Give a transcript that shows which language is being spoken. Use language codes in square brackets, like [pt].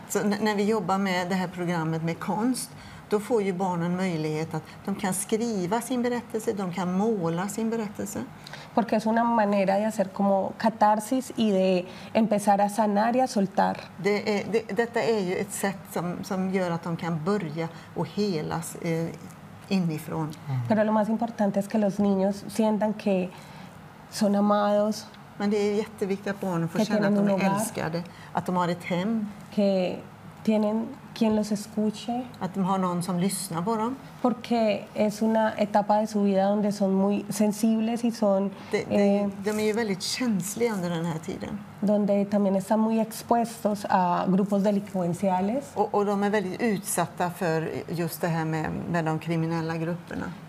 [sv] Så när vi jobbar med det här programmet med konst, då får ju barnen möjlighet att de kan skriva sin berättelse, de kan måla sin berättelse. [es] Porque es una manera de hacer como catarsis y de empezar a sanar y a soltar. [sv] Detta är ju ett sätt som gör att de kan börja och helas inifrån. [es] Pero lo más importante es que los niños sientan que son amados. [sv] Men det är jätteviktigt att barnen får känna att de är älskade, att de har ett hem, [es] que tienen quien los escuche, [sv] att de har någon som lyssnar på dem. [es] Porque es una etapa de su vida donde son muy sensibles y son [sv] de är ju väldigt känsliga under den här tiden. [es] Donde también están muy expuestos a grupos delincuenciales. [sv] Och de är väldigt utsatta för just det här med de kriminella grupperna.